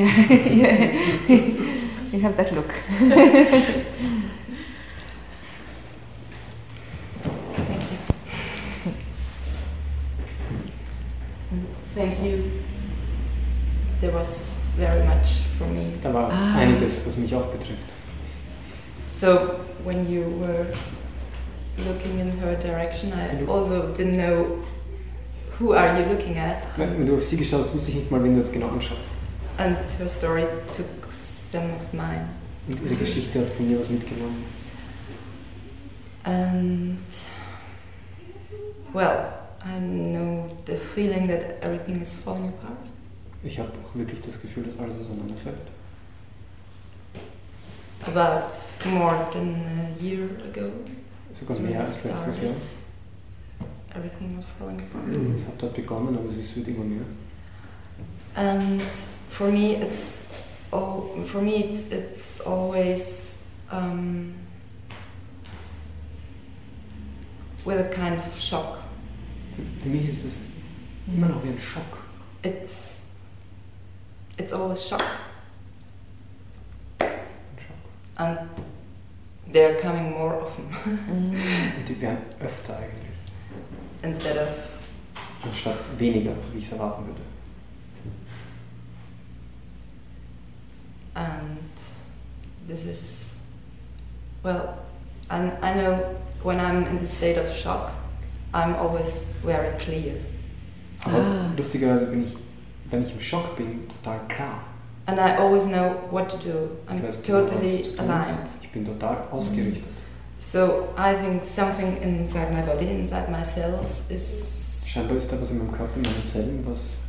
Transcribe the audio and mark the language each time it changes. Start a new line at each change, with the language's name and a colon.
English: Yeah, you have that look. Thank you. Thank you. There was very much for me.
German: Da war einiges, was mich auch betrifft.
English: So, when you were looking in her direction, I also didn't know who are you looking at.
German: Wenn du auf sie geschaust, wusste ich nicht mal, wen du jetzt genau anschaust.
English: And her story took some of mine.
German: Und ihre Geschichte hat von mir was mitgenommen.
English: And, well, I know the feeling that everything is falling apart.
German: Ich habe auch wirklich das Gefühl, dass alles auseinanderfällt.
English: About more than a year ago.
German: Sogar mehr als letztes Jahr.
English: Everything was falling apart.
German: Es hat dort begonnen, aber es wird immer mehr.
English: And for me it's always with a kind of shock.
German: Für mich ist es immer noch wie ein Schock.
English: It's always shock.
German: Schock.
English: And they're coming more often.
German: Und die werden öfter eigentlich.
English: Instead of.
German: Anstatt weniger, wie ich es erwarten würde.
English: And this is, well, and I know when I'm in the state of shock, I'm always very clear.
German: Aber lustigerweise bin ich, wenn ich im Schock bin, total klar.
English: And I always know what to do. I'm totally aligned.
German: Ich bin total ausgerichtet.
English: So I think something inside my body, inside my cells, is.
German: Scheinbar ist da was in meinem Körper, in meinen Zellen, was.